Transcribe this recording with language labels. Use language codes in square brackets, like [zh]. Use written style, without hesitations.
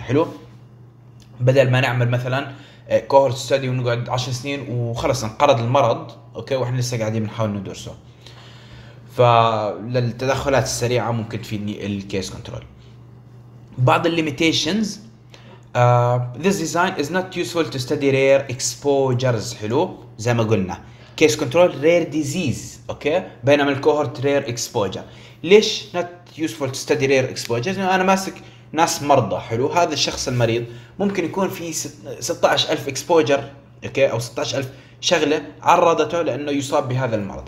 [ar] حلو، بدل ما نعمل مثلا كوهورت ستدي ونقعد 10 سنين وخلص انقرض المرض، اوكي واحنا لسه قاعدين بنحاول ندرسه. فللتدخلات السريعه ممكن تفيدني الكيس كنترول. بعض الليميتيشنز [en] This design is not useful to study rare exposures. [ar] حلو، زي ما قلنا case control rare disease. اوكي، بينما الكوهورت rare exposure. ليش [en] not useful to study rare exposures؟ [ar] انا ماسك ناس مرضى. حلو، هذا الشخص المريض ممكن يكون في 16000 اكسبوجر، اوكي، او 16000 شغله عرضته لانه يصاب بهذا المرض.